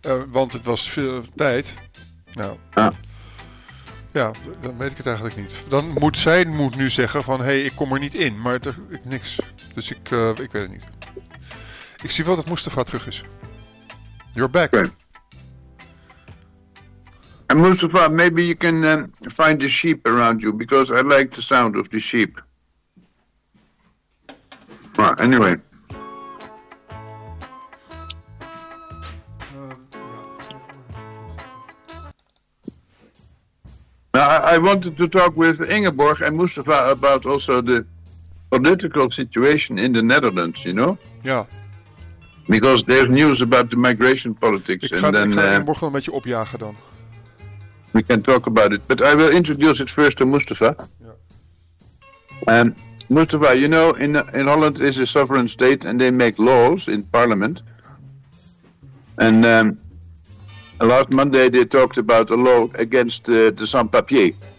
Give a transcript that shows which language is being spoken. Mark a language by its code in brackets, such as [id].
[nl] Want het was veel tijd. Nou. Ah. Ja, dan weet ik het eigenlijk niet. Dan moet zij moet nu zeggen van, hey, ik kom er niet in. Maar er, ik, niks. Dus ik weet het niet. Ik zie wel dat Mustafa terug is. [en] You're back. Okay. Mustafa, maybe you can find the sheep around you, because I like the sound of the sheep. Well, anyway. Now, I wanted to talk with Ingeborg and Mustafa about also the political situation in the Netherlands, you know? Yeah. Because there's news about the migration politics. [nl] Ik ga een beetje opjagen dan. [en] We can talk about it. But I will introduce it first to Mustafa. Yeah. Mustafa, you know, in Holland is a sovereign state and they make laws in parliament. And last Monday they talked about a law against the sans-papier.